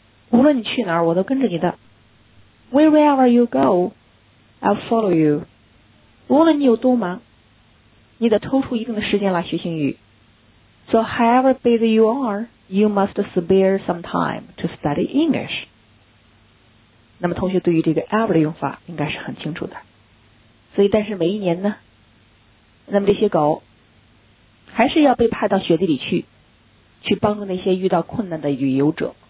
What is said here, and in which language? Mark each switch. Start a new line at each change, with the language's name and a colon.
Chinese: 无论你去哪儿，我都跟着你的。
English: Wherever you go, I'll follow you.
Chinese: 无论你有多忙，你得抽出一定的时间来学英语。
English: So however busy you are, you must spare some time to study English.
Chinese: 那么同学对于这个 ever 的用法应该是很清楚的。所以但是每一年呢，那么这些狗还是要被派到雪地里去，去帮助那些遇到困难的旅游者。